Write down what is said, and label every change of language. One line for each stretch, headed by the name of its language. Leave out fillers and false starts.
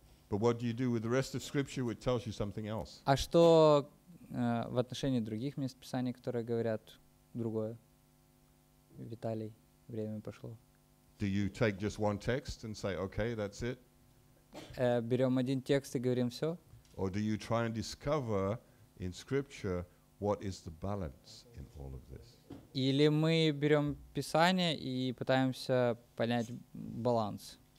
English: But what do you do with the rest of Scripture, which tells you something else?
Russian: А что в отношении других мест Писания, которые говорят другое? Виталий, время пошло.
English: Do you take just one text and say, okay, that's it?
Russian: Берем один текст и говорим все?
English: Or do you try and discover in Scripture what is the balance in all of this?
Russian: Или мы берем Писание и пытаемся понять баланс?